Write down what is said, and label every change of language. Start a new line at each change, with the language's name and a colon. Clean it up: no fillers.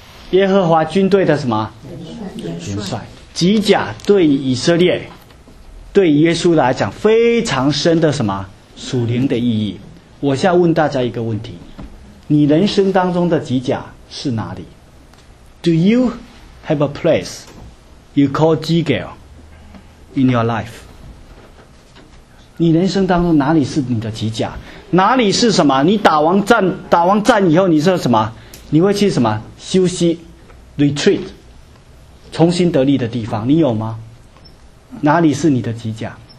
Chinese: 耶和华军队的什么元帅？吉甲对以色列对耶稣来讲非常深的什么属灵的意义。我现在问大家一个问题，你人生当中的吉甲是哪里？
English: Do you have a place you call Gigal in your life?
Chinese: 你人生当中哪里是你的吉甲？哪里是什么？你打完战以后你是什么你会去什么休息 retreat 重新得力的地方，你有吗？哪里是你的吉甲？